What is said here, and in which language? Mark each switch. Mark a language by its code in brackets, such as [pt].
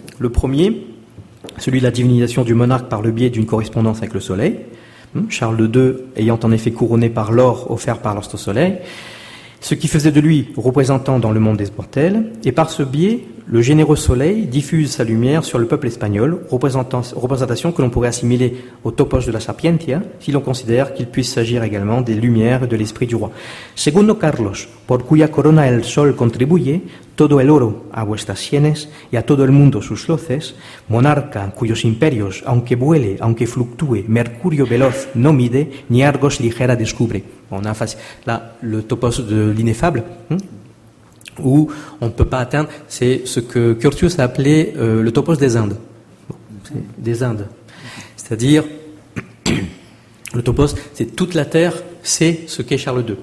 [fr] Le premier, celui de la divinisation du monarque par le biais d'une correspondance avec le soleil, Charles II ayant en effet couronné par l'or offert par l'astre soleil, ce qui faisait de lui représentant dans le monde des mortels, et par ce biais, le généreux soleil diffuse sa lumière sur le peuple espagnol, représentation que l'on pourrait assimiler au topos de la Sapientia, si l'on considère qu'il puisse s'agir également des lumières de l'esprit du roi. [es] Segundo Carlos, por cuya corona el sol contribuye, todo el oro a vuestras sienes y a todo el mundo sus luces, monarca cuyos imperios, aunque vuele, aunque fluctúe, mercurio veloz no mide, ni argos ligera descubre. [fr] On a là le topos de l'ineffable, où on ne peut pas atteindre, c'est ce que Curtius a appelé le topos des Indes. Bon, c'est des Indes. C'est-à-dire, le topos, c'est toute la terre sait ce qu'est Charles II.